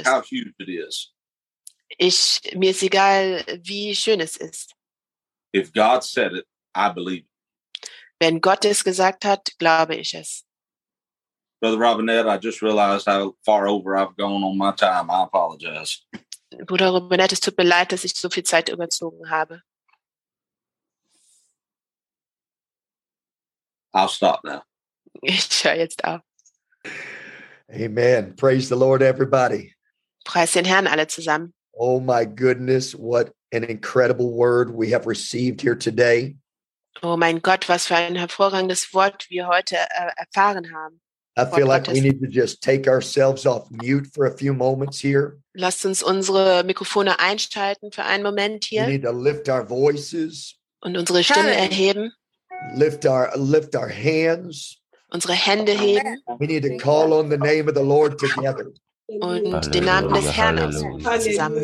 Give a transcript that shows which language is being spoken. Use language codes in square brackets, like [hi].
[en] I don't care how huge it is. [de] Mir ist egal, wie schön es ist. [en] If God said it, I believe it. [de] Wenn Gott es gesagt hat, glaube ich es. [en] Brother Robinette, I just realized how far over I've gone on my time. I apologize. [de] Bruder Robinette, es tut mir leid, dass ich so viel Zeit überzogen habe. [en] I'll stop now. [de] Ich höre jetzt auf. [en] Amen. Praise the Lord, everybody. [de] Preis den Herrn, alle zusammen. [en] Oh my goodness, what an incredible word we have received here today. [de] Oh mein Gott, was für ein hervorragendes Wort wir heute erfahren haben. [en] I feel like we need to just take ourselves off mute for a few moments here. [de] Lasst uns unsere Mikrofone einschalten für einen Moment hier. [en] We need to lift our voices. [de] Und unsere Stimmen erheben. [en] Lift our hands. [de] Unsere Hände heben. [en] We need to call on the name of the Lord together. [de] Und den Namen des Herrn zusammen.